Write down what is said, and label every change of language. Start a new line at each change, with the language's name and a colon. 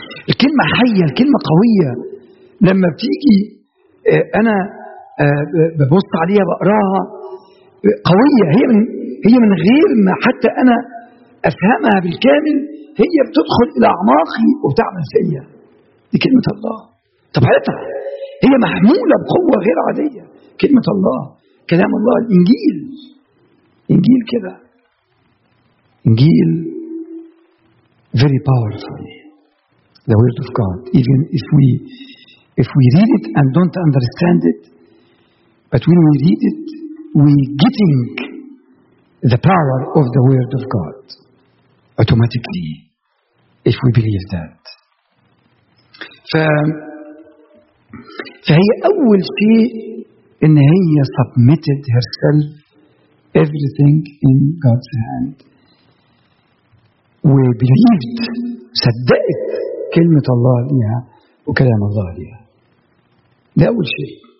Arabic: الكلمة حية، الكلمة قوية، لما بتيجي أنا ببص عليها بقراها قوية، هي من غير ما حتى أنا أفهمها بالكامل هي بتدخل إلى أعماقي وبتعمل فيا. دي كلمة الله طبيعتها، هي محمولة بقوة غير عادية. كلمة الله، كلام الله، الإنجيل، إنجيل كده، إنجيل
English: very powerful. The word of God. Even if we read it and don't understand it, but when we read it, we getting the power of the word of God automatically if we believe that.
Arabic: فهي أول شيء إن هي
English: submitted herself. Everything in God's hand. We believed,
Arabic: صدقت كلمة الله ليها وكلام الله ليها. ده أول شيء.